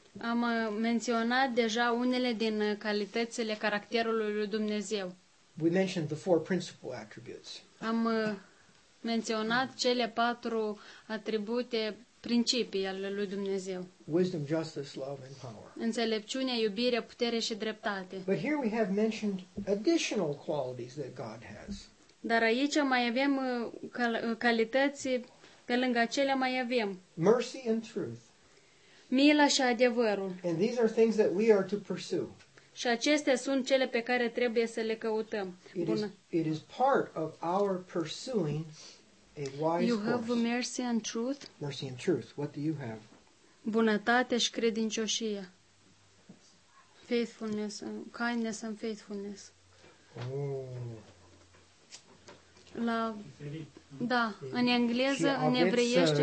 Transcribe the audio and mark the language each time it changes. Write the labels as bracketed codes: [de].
[ro] Am menționat deja unele din calitățile caracterului lui Dumnezeu. [en] We mentioned the four principal attributes. [ro] Am menționat cele patru atribute, principii ale lui Dumnezeu. [en] Wisdom, justice, love and power. [ro] Înțelepciune, iubire, putere și dreptate. [en] But here we have mentioned additional qualities that God has. [ro] Dar aici mai avem calități pe lângă cele mai avem. [en] Mercy and truth. [ro] Mila și adevărul. [en] And these are things that we are to pursue. [ro] Și acestea sunt cele pe care trebuie să le căutăm. Bună. [en] It is part of our pursuing a wise you have course. Mercy and truth. Mercy and truth. What do you have? [ro] Bunătate și credincioșie. [en] Faithfulness, kindness and faithfulness. Oh. [ro] La diferit. Da, în engleză, în ebreiește.